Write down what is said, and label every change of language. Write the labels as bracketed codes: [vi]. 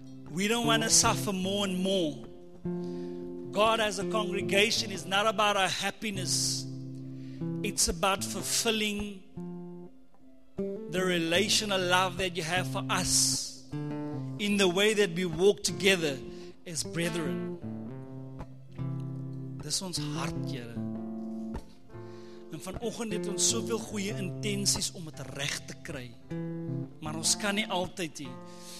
[en] We don't want to suffer more and more. God, as a congregation, is not about our happiness. It's about fulfilling the relational love that you have for us in the way that we walk together as brethren. [af] Dis ons hart, Here. En vanoggend het ons soveel goeie intensies om het recht te kry. Maar ons kan nie altyd nie.